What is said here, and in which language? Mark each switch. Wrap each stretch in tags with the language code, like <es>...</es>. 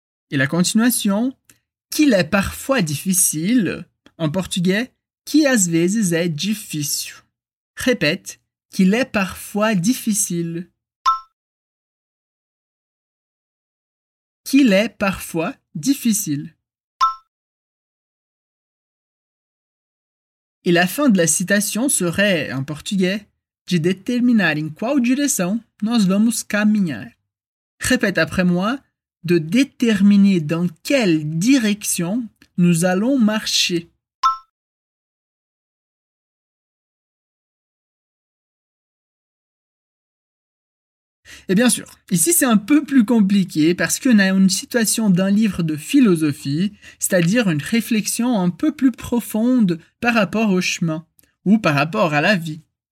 <fr>Et la continuation, qu'il est parfois difficile, en portugais,</fr> <pt>que às vezes é difícil.</pt> <fr>Répète, qu'il est parfois difficile. Qu'il est parfois difficile. Et la fin de la citation serait, en portugais,</fr> <pt>de determinar em qual direção nós vamos caminhar.</pt> <fr>Répète après moi. De déterminer dans quelle direction nous allons marcher. Et bien sûr, ici c'est un peu plus compliqué parce qu'on a une citation d'un livre de philosophie, c'est-à-dire une réflexion un peu plus profonde par rapport au chemin ou par rapport à la vie.</fr>